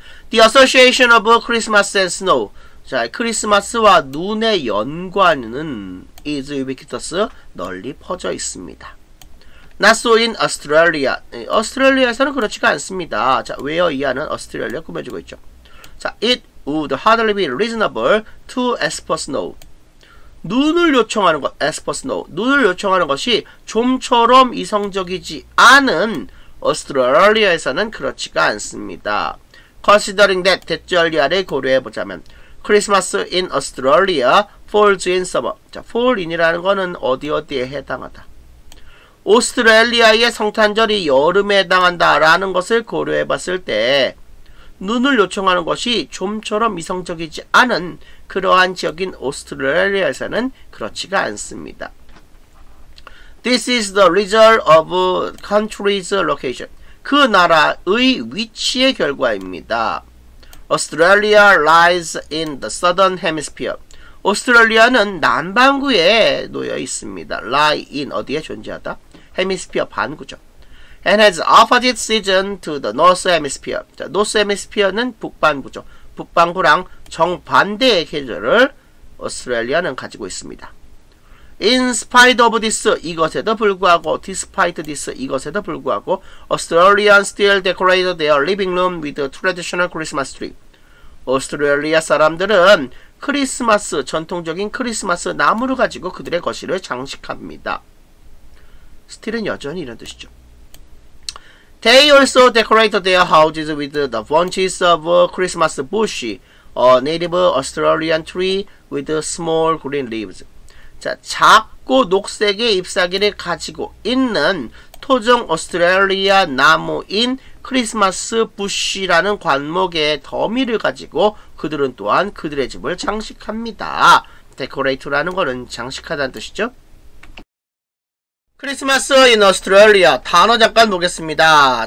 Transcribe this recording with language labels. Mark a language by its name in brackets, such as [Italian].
[English] The Association of Christmas and Snow. [Korean] 자, 크리스마스와 눈의 연관은 [English] is ubiquitous, [Korean] 널리 퍼져 있습니다. [English] Not so in Australia. [Korean] 오스트레일리아에서는 그렇지가 않습니다. 자, where 이하는 Australia 꾸며주고 있죠. [English] 자, it would hardly be reasonable to ask for snow. [Korean] 눈을 요청하는 것, [English] ask for snow. [Korean] 눈을 요청하는 것이 좀처럼 이성적이지 않은 오스트레일리아에서는 그렇지가 않습니다. [English] Considering that, [Korean] 대절리아를 고려해보자면 [English] Christmas in Australia falls in summer. [Korean] 자, fall in이라는 거는 어디어디에 해당하다. 오스트레일리아의 성탄절이 여름에 해당한다라는 것을 고려해봤을 때 눈을 요청하는 것이 좀처럼 이성적이지 않은 그러한 지역인 오스트레일리아에서는 그렇지가 않습니다. [English] This is the result of country's location. [Korean] 그 나라의 위치의 결과입니다. [English] Australia lies in the southern hemisphere. [Korean] 오스트레일리아는 남반구에 놓여 있습니다. lie in 어디에 존재하다? hemisphere 반구죠. [English] And has opposite season to the north hemisphere. [Korean] 자, north hemisphere는 북반구죠. 북반구랑 정반대의 계절을 오스트레일리아는 가지고 있습니다. [English] In spite of this, [Korean] 이것에도 불구하고, [English] despite this, 이것에도 불구하고, Australians still decorate their living room with a traditional Christmas tree. [Korean] 오스트레일리아 사람들은 크리스마스, 전통적인 크리스마스 나무를 가지고 그들의 거실을 장식합니다. Still은 여전히 이런 뜻이죠. [English] They also decorate their houses with the bunches of Christmas bush, a native Australian tree with small green leaves. [Korean] 자, 작고 녹색의 잎사귀를 가지고 있는 토종 오스트레일리아 나무인 크리스마스 부쉬라는 관목의 더미를 가지고 그들은 또한 그들의 집을 장식합니다. 데코레이트라는 것은 장식하다는 뜻이죠. 크리스마스 인 오스트레일리아 단어 잠깐 보겠습니다.